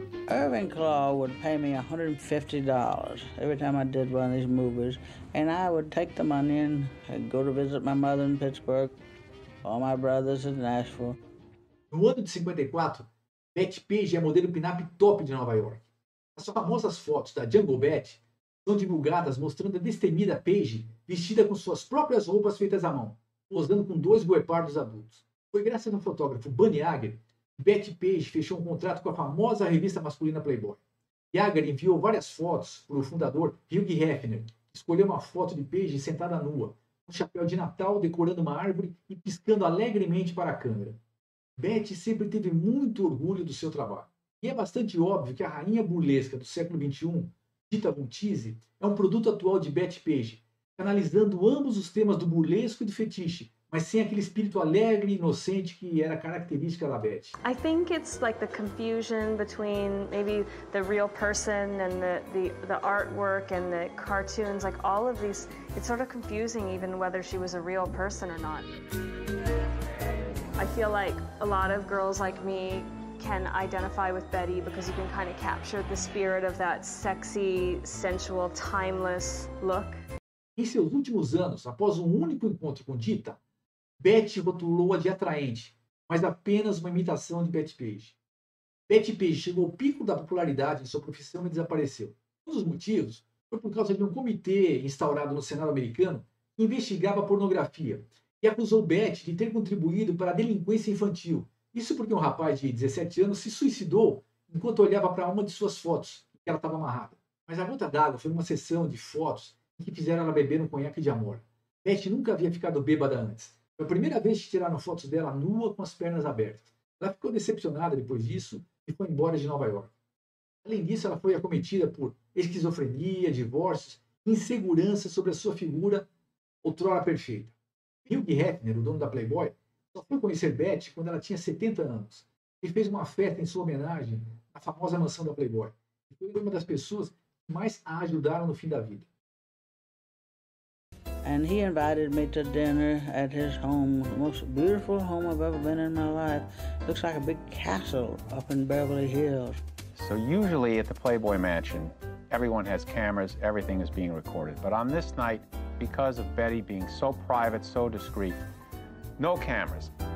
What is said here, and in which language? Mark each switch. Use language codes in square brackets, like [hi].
[en] Irving Claw would pay me $150 every time I did one of these movies, and I would take the money and I'd go to visit my mother in Pittsburgh, all my brothers in Nashville. [pt] No ano de 54, Betty Page é modelo pin-up top de Nova York. As famosas fotos da Jungle Betty são divulgadas mostrando a destemida Page vestida com suas próprias roupas feitas à mão, posando com dois guepardos adultos. Foi graças ao fotógrafo Bunny Agar que Betty Page fechou um contrato com a famosa revista masculina Playboy. Agar enviou várias fotos para o fundador Hugh Hefner, que escolheu uma foto de Page sentada nua, com um chapéu de Natal decorando uma árvore e piscando alegremente para a câmera. Betty sempre teve muito orgulho do seu trabalho. E é bastante óbvio que a rainha burlesca do século XXI, Dita Von Teese, é um produto atual de Betty Page, canalizando ambos os temas do burlesco e do fetiche, mas sem aquele espírito alegre e inocente que era característica da Betty. [en] I think it's like the confusion between maybe the real person and the artwork and the cartoons, like all of these, it's sort of confusing even whether she was a real person or not. I feel like a lot of girls like me can identify with Betty because you can kind of capture the spirit of that sexy, sensual, timeless look. [pt] Em seus últimos anos, após um único encontro com Dita, Betty rotulou-a de atraente, mas apenas uma imitação de Betty Page. Betty Page chegou ao pico da popularidade em sua profissão e desapareceu. Um dos motivos foi por causa de um comitê instaurado no Senado americano que investigava pornografia, e acusou Betty de ter contribuído para a delinquência infantil. Isso porque um rapaz de 17 anos se suicidou enquanto olhava para uma de suas fotos, que ela estava amarrada. Mas a gota d'água foi uma sessão de fotos em que fizeram ela beber um conhaque de amor. Betty nunca havia ficado bêbada antes. Foi a primeira vez que tiraram fotos dela nua com as pernas abertas. Ela ficou decepcionada depois disso e foi embora de Nova York. Além disso, ela foi acometida por esquizofrenia, divórcios, insegurança sobre a sua figura outrora perfeita. Hugh Hefner, o dono da Playboy, só foi conhecer Betty quando ela tinha 70 anos e fez uma festa em sua homenagem à famosa mansão da Playboy. Foi uma das pessoas que mais a ajudaram no fim da vida. [en] And he invited me to dinner at his home, the most beautiful home I've ever been in my life. Looks like a big castle up in Beverly Hills. So usually at the Playboy Mansion, everyone has cameras, everything is being recorded. But on this night, because of Betty being so private, so discreet, no cameras.